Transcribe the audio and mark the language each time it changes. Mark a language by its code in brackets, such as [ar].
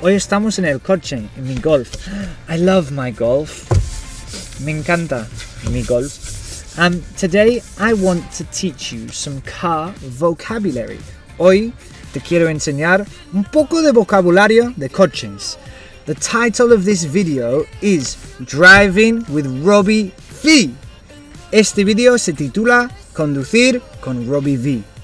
[es] Hoy estamos en el coche, en mi Golf. [en] I love my Golf. [es] Me encanta mi Golf. [en] Today, I want to teach you some car vocabulary. [es] Hoy, te quiero enseñar un poco de vocabulario de coches. [en] The title of this video is Driving with Robbie V. [es] Este video se titula Conducir con Robbie V.